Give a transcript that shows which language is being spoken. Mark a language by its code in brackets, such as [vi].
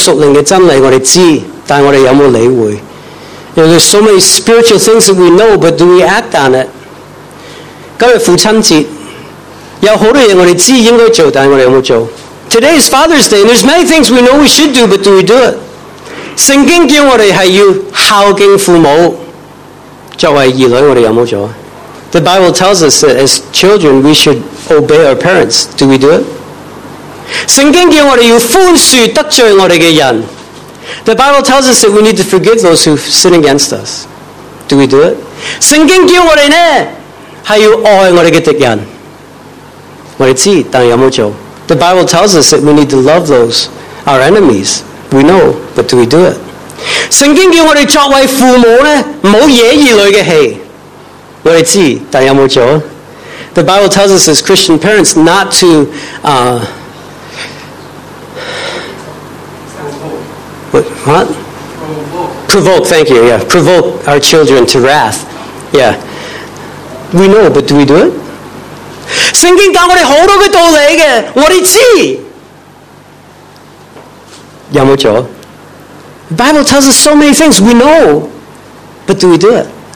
[zh] 弟兄姊妹,我們很多屬靈的真理我們知,但我們有沒有理會? [en] You know, there's so many spiritual things that we know, but do we act on it? [zh] 今天父親節,有很多事我們知道應該做,但我們有沒有做? [en] Today is Father's Day, and there's many things we know we should do, but do we do it? [zh] 聖經叫我們是要孝敬父母,作為兒女我們有沒有做? [en] The Bible tells us that as children, we should obey our parents. Do we do it? [zh] 聖經叫我們要寬恕得罪我們的人. [en] The Bible tells us that we need to forgive those who sin against us. Do we do it? [zh] 聖經叫我們呢?是要愛我們的敵人. 我們知道,但有沒有做? [en] The Bible tells us that we need to love those, our enemies. We know, but do we do it? [zh] 聖經叫我們作為父母,不要惹兒女的氣. 我們知道,但有沒有做? [en] The Bible tells us as Christian parents not to... Provoke, thank you, yeah. Provoke our children to wrath. Yeah. We know, but do we do it? [zh] 聖經教我們很多的道理,我們知道。有沒有做? [en] The Bible tells us so many things, we know, but do we do it?